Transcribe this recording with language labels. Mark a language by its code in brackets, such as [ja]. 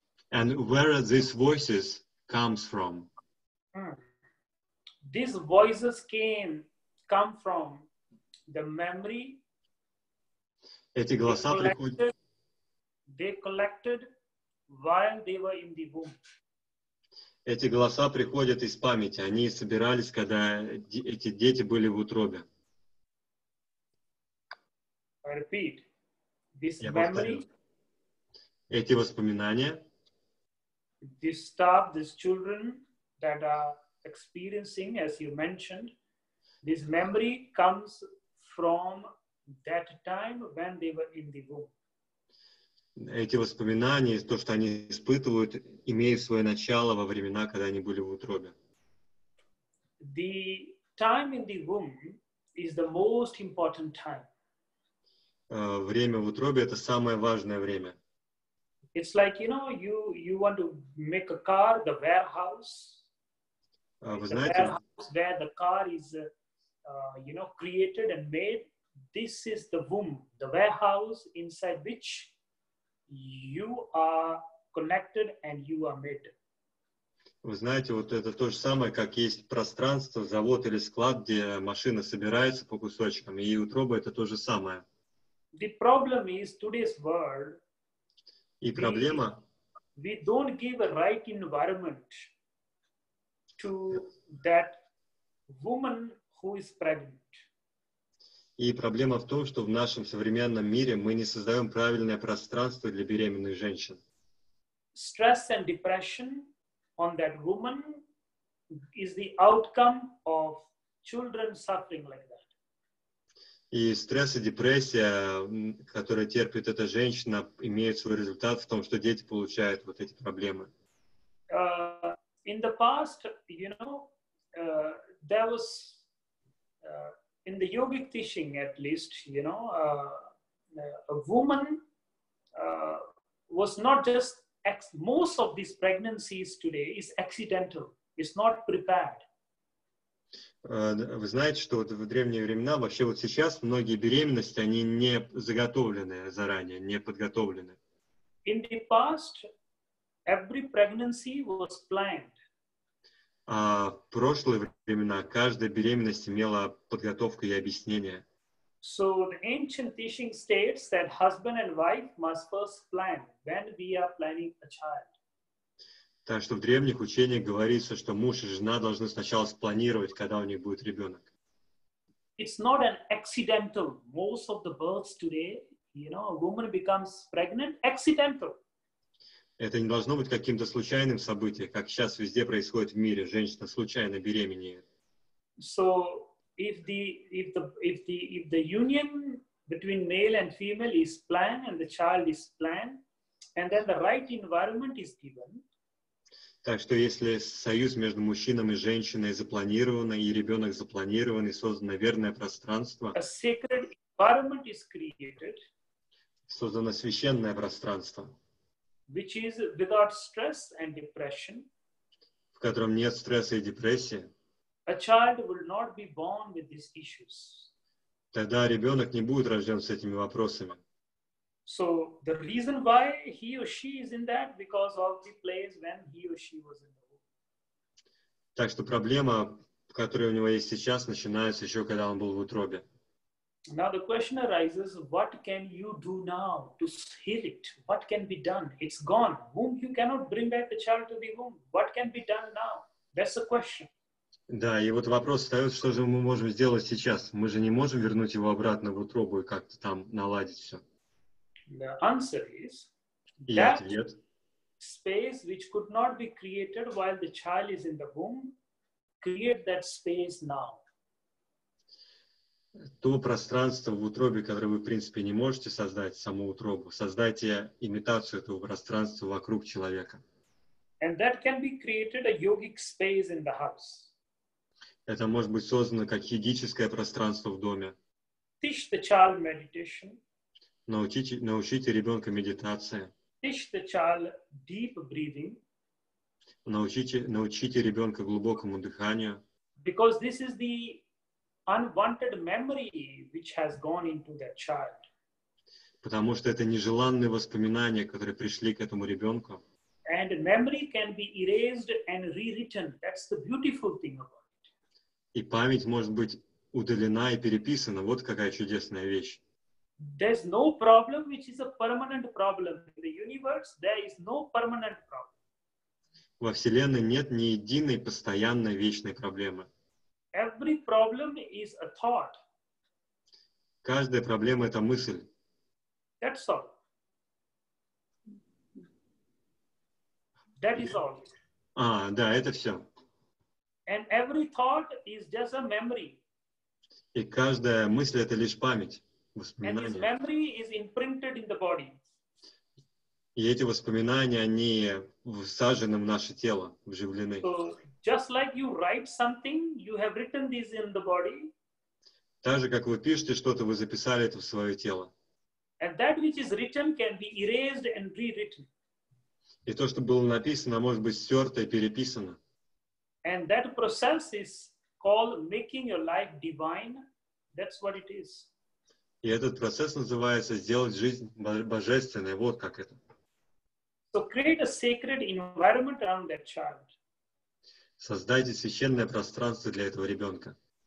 [en] And where are these voices comes from? These voices come from the memory. [ru] Эти голоса приходят. [en] They collected while they were in the womb. [ru] Эти голоса приходят из памяти. Они собирались, когда эти дети были в утробе. [en] I repeat. This memory. [ru] Эти воспоминания. [en] Disturb these children that are experiencing, as you mentioned. This memory comes from that time when they were in the womb. [ru] Эти воспоминания, то, что они испытывают, имеют свое начало во времена, когда они были в утробе. [en] The time in the womb is the most important time. [ru] Время в утробе — это самое важное время. [en] It's like, you know, you want to make a car, the warehouse. [ru] Вы знаете, [en] the warehouse where the car is, you know, created and made. This is the womb, the warehouse inside which you are connected and you are made. [ru] Вы знаете, вот это то же самое, как есть пространство, завод или склад, где машина собирается по кусочкам, и утроба — это то же самое. [en] The problem is today's world. [ru] И проблема. [en] We don't give a right environment to that woman who is pregnant. [ru] И проблема в том, что в нашем современном мире мы не создаем правильное пространство для беременных женщин. [en] Stress and depression on that woman is the outcome of children suffering like that. [ru] И стресс и депрессия, которые терпит эта женщина, имеют свой результат в том, что дети получают вот эти проблемы. [en] In the past, you know, there was in the yogic teaching, at least, you know, a woman was not just most of these pregnancies today is accidental. It's not prepared. [ru] Вы знаете, что вот в древние времена, вообще вот сейчас, многие беременности, они не заготовлены заранее, не подготовлены. [en] In the past, every pregnancy was planned. [ru] А в прошлые времена каждая беременность имела подготовку и объяснение. [en] So the ancient teaching states that husband and wife must first plan when we are planning a child. [ru] Так что в древних учениях говорится, что муж и жена должны сначала спланировать, когда у них будет ребенок. [en] It's not an accidental. Most of the births today, you know, a woman becomes pregnant accidental. [ru] Это не должно быть каким-то случайным событием, как сейчас везде происходит в мире. Женщина случайно беременеет. [en] So if the union between male and female is planned and the child is planned, and then the right environment is given. [ru] Так что если союз между мужчиной и женщиной запланирован, и ребенок запланирован, и создано верное пространство, [en] a sacred environment is created, [ru] создано священное пространство, [en] which is without stress and depression, [ru] в котором нет стресса и депрессии, [en] a child will not be born with these issues. [ru] Тогда ребенок не будет рожден с этими вопросами. [en] So the reason why he or she is in that because of the place when he or she was in the womb. [ru] Так что проблема, которая у него есть сейчас, начинается еще, когда он был в утробе. [en] Now the question arises, what can you do now to heal it? What can be done? It's gone. Womb, you cannot bring back the child to the womb. What can be done now? That's the question. [ru] Да, и вот вопрос встает, что же мы можем сделать сейчас? Мы же не можем вернуть его обратно в утробу и как-то там наладить все. [en] The answer is, that space which could not be created while the child is in the womb, create that space now. [ru] То пространство в утробе, которое вы, в принципе, не можете создать, саму утробу, создайте имитацию этого пространства вокруг человека. [en] And that can be created a yogic space in the house. [ru] Это может быть создано как йогическое пространство в доме. [en] Teach the child meditation. [ru] Научите ребенка медитации. [en] Teach the child deep breathing. [ru] Научите ребенка глубокому дыханию. [en] Because this is the unwanted memory which has gone into that child. [ru] Потому что это нежеланные воспоминания, которые пришли к этому ребенку. [en] And memory can be erased and rewritten. That's the beautiful thing about it. [ru] И память может быть удалена и переписана. Вот какая чудесная вещь. [en] There's no problem which is a permanent problem in the universe. There is no permanent problem. [ru] Во Вселенной нет ни единой постоянной вечной проблемы. [en] Every problem is a thought. [ru] Каждая проблема — это мысль. [en] That's all. That is all. [ru] А, да, это все. [en] And every thought is just a memory. [ru] И каждая мысль — это лишь память, воспоминания. [en] And this memory is imprinted in the body. [ru] И эти воспоминания, они всажены в наше тело, вживлены. [en] So, just like you write something, you have written this in the body. [ru] Так же, как вы пишете что-то, вы записали это в свое тело. [en] And that which is written can be erased and rewritten. [ru] И то, что было написано, может быть стерто и переписано. [en] And that process is called making your life divine. That's what it is. [ru] И этот процесс называется сделать жизнь божественной. Вот как это. [en] So create a sacred environment around that child. [ru] Создайте священное пространство для этого ребенка.